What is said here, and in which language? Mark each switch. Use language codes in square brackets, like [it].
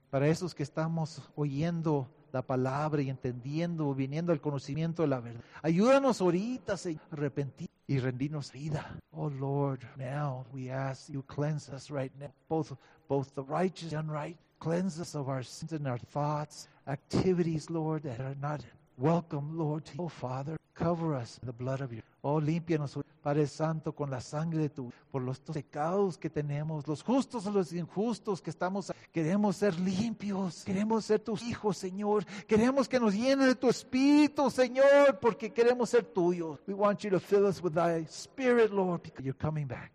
[es] Para esos que estamos oyendo la palabra y entendiendo, viniendo al conocimiento de la verdad, ayúdanos ahorita, Señor, a arrepentir y rendirnos vida. [en] Oh Lord, now we ask you cleanse us right now, both the righteous and unright. Cleanse us of our sins and our thoughts, activities, Lord, that are not welcome, Lord, to you. Oh Father, cover us in the blood of your. [es] Oh, límpianos, Padre Santo, con la sangre de tu, por los pecados que tenemos, los justos o los injustos que estamos, queremos ser limpios, queremos ser tus hijos, Señor, queremos que nos llene de tu Espíritu, Señor, porque queremos ser tuyos. [en] We want you to fill us with thy Spirit, Lord, because you're coming back.